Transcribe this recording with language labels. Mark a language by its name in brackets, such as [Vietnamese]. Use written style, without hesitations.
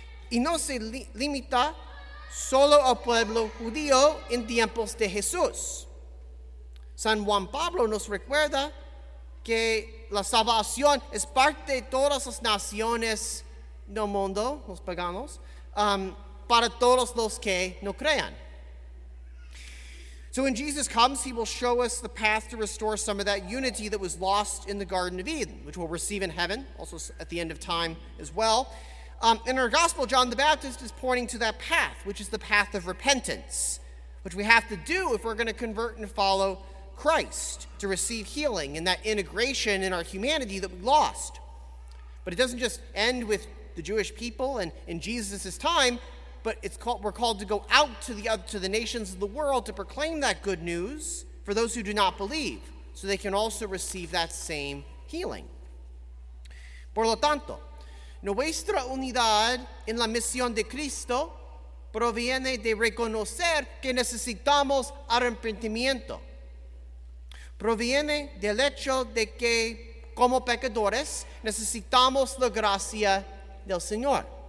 [Spanish] Y no se limita solo al pueblo judío en tiempos de Jesús. San Juan Pablo nos recuerda que la salvación es parte de todas las naciones del mundo, los paganos, para todos los que no crean. [English] So when Jesus comes, he will show us the path to restore some of that unity that was lost in the Garden of Eden, which we'll receive in heaven, also at the end of time as well. In our gospel, John the Baptist is pointing to that path, which is the path of repentance, which we have to do if we're going to convert and follow Christ to receive healing and that integration in our humanity that we lost. But it doesn't just end with the Jewish people and in Jesus' time, but we're called to go out to the nations of the world to proclaim that good news for those who do not believe, so they can also receive that same healing. [Spanish] Por lo tanto, nuestra unidad en la misión de Cristo proviene de reconocer que necesitamos arrepentimiento. Proviene del hecho de que, como pecadores, necesitamos la gracia del Señor.